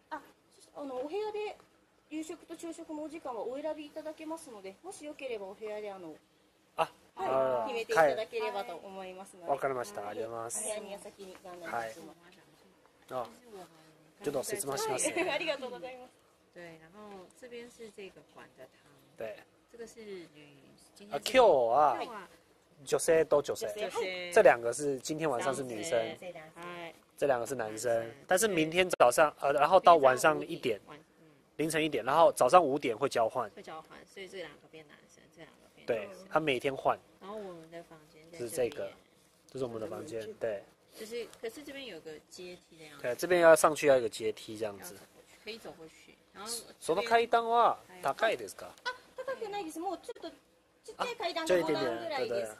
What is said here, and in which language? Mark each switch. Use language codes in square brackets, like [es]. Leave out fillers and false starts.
[ja] あ、お部屋で夕食と朝食のお時間はお選びいただけますので、もしよければお部屋で決めていただければと思いますので。わかりました、ありがとうございます。部屋に先に案内します、はい、あ、ちょっと説明します、ね、はい、ありがとうございます。 [zh] 对，然后这边是这个馆的汤，对，这个是女，啊，今天啊，女生都女生，这两个是今天晚上是女生，这两个是男生，但是明天早上，然后到晚上一点，凌晨一点，然后早上五点会交换，会交换，所以这两个变男生，这两个变女生，对，他每天换。然后我们的房间是这个，这是我们的房间，对。就是，可是这边有个阶梯的样子，对，这边要上去要一个阶梯这样子，可以走过去。 [ja] その階段は高いですか？あ、高くないです。もうちょっとちっちゃい階段が5段ぐらいです。